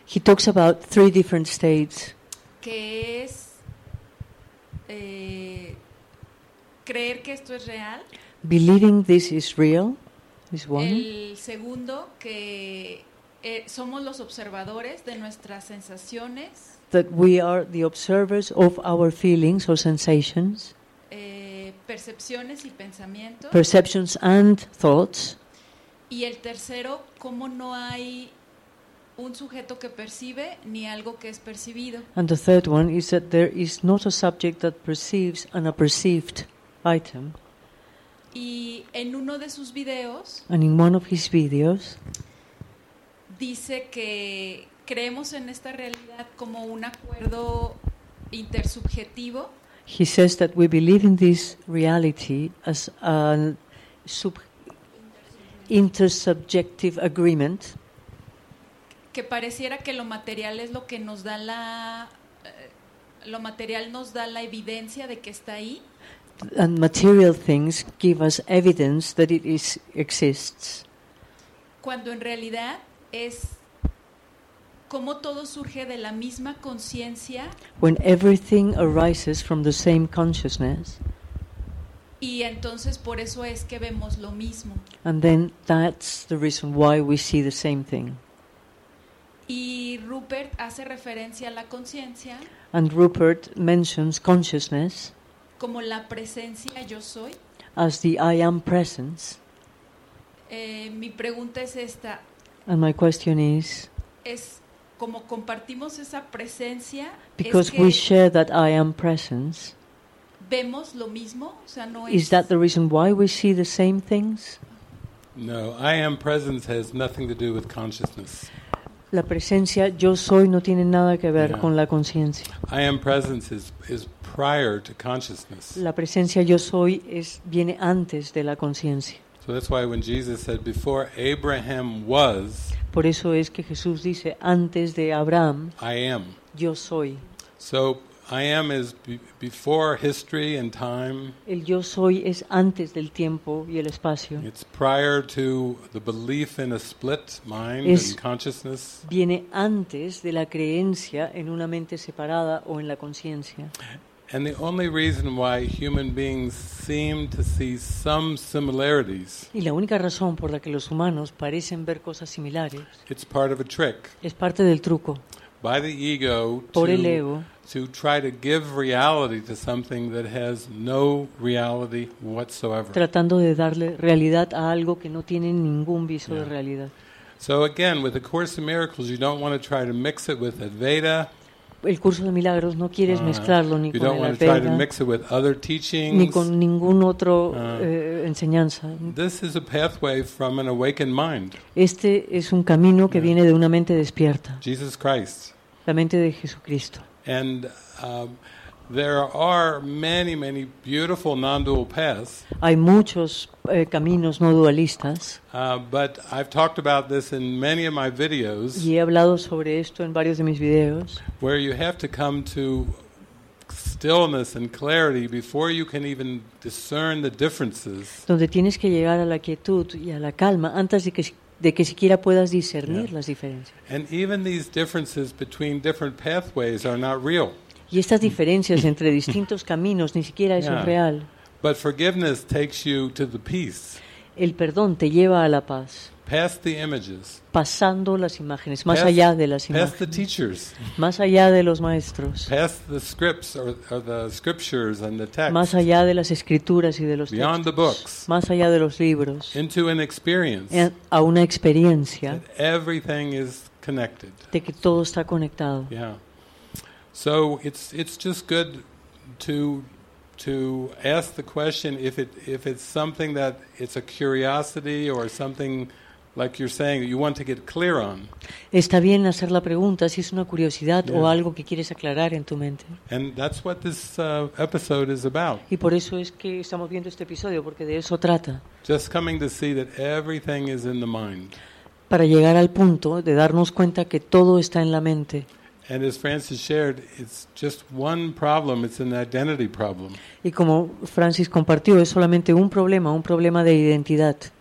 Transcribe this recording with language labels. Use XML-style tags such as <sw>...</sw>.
<en>He talks about three different states.</en> <es>Que es creer que esto es real.</es> <en>Believing this is real is one.</en> <es>El segundo, que somos los observadores de nuestras sensaciones.</es> <en>That we are the observers of our feelings or sensations.</en> <es>Percepciones y pensamientos.</es> <en>Perceptions and thoughts.</en> <es>Y el tercero, cómo no hay un sujeto que percibe ni algo que es percibido.</es> <en>And the third one is that there is not a subject that perceives an unperceived item.</en> <es>Y en uno de sus videos.</es> <en>And in one of his videos.</en> <es>Dice que creemos en esta realidad como un acuerdo intersubjetivo.</es> <en>He says that we believe in this reality as an intersubjective agreement.</en> <es>Que pareciera que lo material es lo que nos da la lo material nos da la evidencia de que está ahí.</es> <en>And material things give us evidence that it is exists.</en> <es>Cuando en realidad es cómo todo surge de la misma conciencia.</es> <en>When everything arises from the same consciousness.</en> <es>Y entonces por eso es que vemos lo mismo.</es> <en>And then that's the reason why we see the same thing.</en> <es>Y Rupert hace referencia a la conciencia.</es> <en>And Rupert mentions consciousness.</en> <es>Como la presencia yo soy.</es> <en>As the I am presence.</en> <es>Mi pregunta es esta.</es> <en>And my question is.</en> <es>Es como compartimos esa presencia.</es> <en>Because</en> <es>es que</es> <en>we share that I am presence.</en> <es>Vemos lo mismo, o sea, no.</es> <en>Is that the reason why we see the same things? No, I am presence has nothing to do with consciousness.</en> <es>La presencia yo soy no tiene nada que ver con la conciencia.</es> <en>I am presence is prior to consciousness.</en> <es>La presencia yo soy viene antes de la conciencia.</es> <en>So that's why when Jesus said before Abraham was.</en> <es>Por eso es que Jesús dice antes de Abraham.</es> <en>I am.</en> <es>Yo soy.</es> <en>So I am is before history and time.</en> <es>El yo soy es antes del tiempo y el espacio.</es> <en>It's prior to the belief in a split mind and consciousness.</en> <es>Viene antes de la creencia en una mente separada o en la conciencia.</es> <en>And the only reason why human beings seem to see some similarities.</en> <es>Y la única razón por la que los humanos parecen ver cosas similares.</es> <en>It's part of a trick.</en> <es>Es parte del truco.</es> <en>By the ego.</en> <es>Por el ego.</es> <en>To try to give reality to something that has no reality whatsoever.</en> <es>Tratando de darle realidad a algo que no tiene ningún viso de realidad.</es> <en>So again, with the Course in Miracles, you don't want to try to mix it with Advaita.</en> <es>El curso de milagros no quieres mezclarlo ni con el Advaita.</es> <en>You don't want to try to mix it with other</en> <es>ni con ningún otro enseñanza.</es> <en>This is a pathway from an awakened mind.</en> <es>Este es un camino que viene de una mente despierta.</es> <en>Jesus Christ.</en> <es>La mente de Jesucristo.</es> <en>And there are many, many beautiful non-dual paths.</en> <es>Hay muchos caminos no dualistas.</es> <en>But I've talked about this in many of my videos.</en> <es>Y he hablado sobre esto en varios de mis videos.</es> <en>Where you have to come to stillness and clarity before you can even discern the differences.</en> <es>Donde tienes que llegar a la quietud y a la calma antes de que siquiera puedas discernir las diferencias.</es> <en>And even these differences between different pathways are not real.</en> <es>Y estas diferencias entre distintos caminos ni siquiera eso es real.</es> <en>But forgiveness takes you to the peace.</en> <es>El perdón te lleva a la paz.</es> <en>Past the images.</en> <es>Pasando las imágenes, más allá de las imágenes.</es> <en>Past the teachers.</en> <es>Más allá de los maestros.</es> <en>Past the scripts or the scriptures and the texts.</en> <es>Más allá de las escrituras y de los textos.</es> <en>Beyond the books.</en> <es>Más allá de los libros.</es> <en>Into an experience.</en> <es>A una experiencia.</es> <en>That everything is connected.</en> <es>De que todo está conectado.</es> <en>Yeah. So it's just good to ask the question if it's something that it's a curiosity or something like you're saying you want to get clear on.</en> <es>Está bien hacer la pregunta si es una curiosidad o algo que quieres aclarar en tu mente.</es> <en>And that's what this episode is about.</en> <es>Y por eso es que estamos viendo este episodio porque de eso trata.</es> <en>Just coming to see that everything is in the mind.</en> <es>Para llegar al punto de darnos cuenta que todo está en la mente.</es> <en>And as Francis shared, it's just one problem, it's an identity problem.</en> <es>Y como Francis compartió, es solamente un problema de identidad.</es>